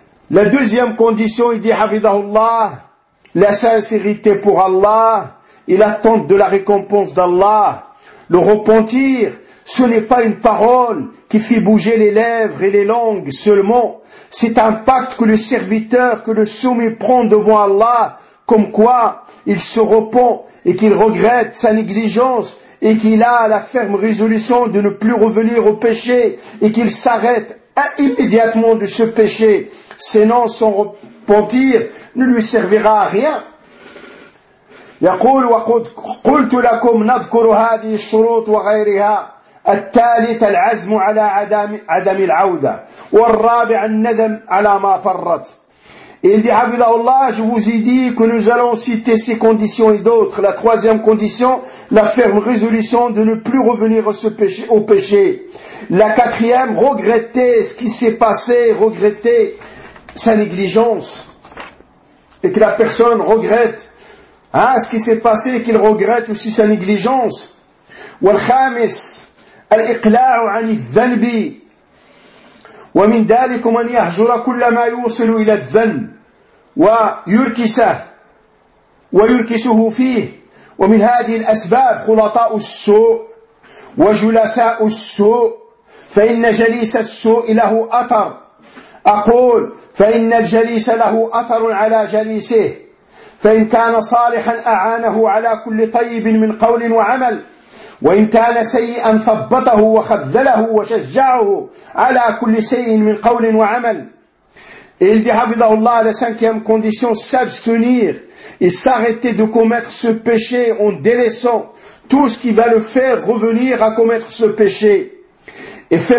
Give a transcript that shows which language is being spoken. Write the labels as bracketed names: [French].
[French] La deuxième condition, il dit, [Arabic] حفظه الله, [French] la sincérité pour Allah et l'attente de la récompense d'Allah. Le repentir, ce n'est pas une parole qui fait bouger les lèvres et les langues seulement. C'est un pacte que le serviteur, que le soumis prend devant Allah, comme quoi il se repent et qu'il regrette sa négligence et qu'il a la ferme résolution de ne plus revenir au péché et qu'il s'arrête immédiatement de ce péché. Sinon, son repentir ne lui servira à rien. [Arabic] يقول وقد قلت لكم نذكر هذه الشروط وغيرها الثالث العزم على عدم العودة والرابع الندم على ما فرط. [French] Il dit, Habibullah, je vous ai dit que nous allons citer ces conditions et d'autres. La troisième condition, la ferme résolution de ne plus revenir au péché. La quatrième, regretter ce qui s'est passé, regretter sa négligence. Et que la personne regrette, ce qui s'est passé, qu'il regrette aussi sa négligence. [Arabic] والخامس الإقلاع عن الذنب ومن ذلك من يهجر كل ما يوصل إلى الذنب ويركسه ويركسه فيه ومن هذه الأسباب خلطاء السوء وجلساء السوء فإن جليس السوء له أثر أقول فإن الجليس له أثر على جليسه فإن كان صالحا أعانه على كل طيب من قول وعمل وإن كان سيئا ثبته وخذله وشجعه على كل شيء من قول وعمل. [French] Il dit, Habibullah, la cinquième condition, s'abstenir et s'arrêter de commettre ce péché en délaissant tout ce qui va le faire revenir à commettre ce péché. Et